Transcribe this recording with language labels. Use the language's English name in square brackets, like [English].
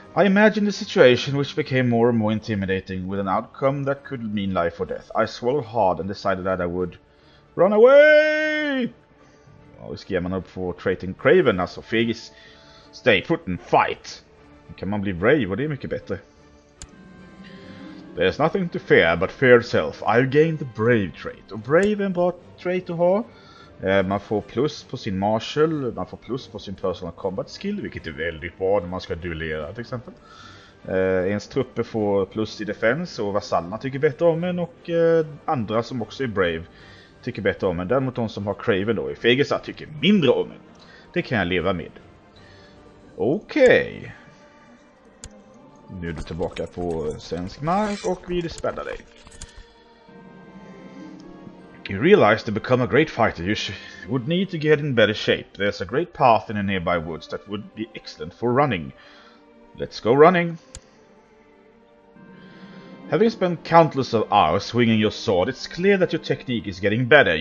[English] I imagine the situation which became more and more intimidating with an outcome that could mean life or death. I swallowed hard and decided that I would run away! [Swedish] Och skriver man upp för Traiting Craven, alltså fegis. [English] Stay put and fight! [Swedish] Då kan man bli brave och det är mycket bättre. [English] There's nothing to fear but fear itself. I've gained the brave trait. [Swedish] Och brave är en bra trait att ha. Man får plus på sin marshal, man får plus på sin personal combat skill, vilket är väldigt bra när man ska duellera till exempel. Ens trupper får plus i defens och vasallerna tycker bättre om en och andra som också är brave tycker bättre om en. Däremot de som har craven då i fegisa tycker mindre om en. Det kan jag leva med. Okej. Okay. Nu är du tillbaka på svensk mark och vi dispelar dig. [English] You realize to become a great fighter you would need to get in better shape. There's a great path in a nearby woods that would be excellent for running. Let's go running. Having spent countless of hours swinging your sword, it's clear that your technique is getting better.